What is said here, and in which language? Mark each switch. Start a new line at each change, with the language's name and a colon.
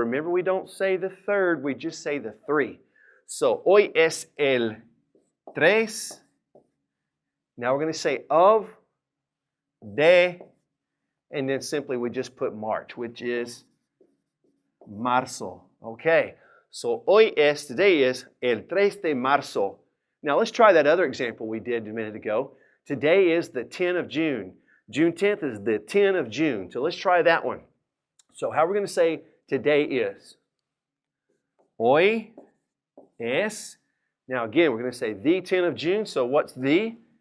English: Remember, we don't say the 3rd, we just say the 3. So
Spanish: hoy es el tres.
English: Now we're going to say of, de, and then simply we just put March, which is marzo. Okay, so
Spanish: hoy es,
English: today is
Spanish: el tres de marzo.
English: Now let's try that other example we did a minute ago. Today is the 10th of June. June 10th is the 10th of June. So let's try that one. So how are we going to say today is?
Spanish: Hoy es.
English: Now again, we're going to say the 10th of June. So what's the?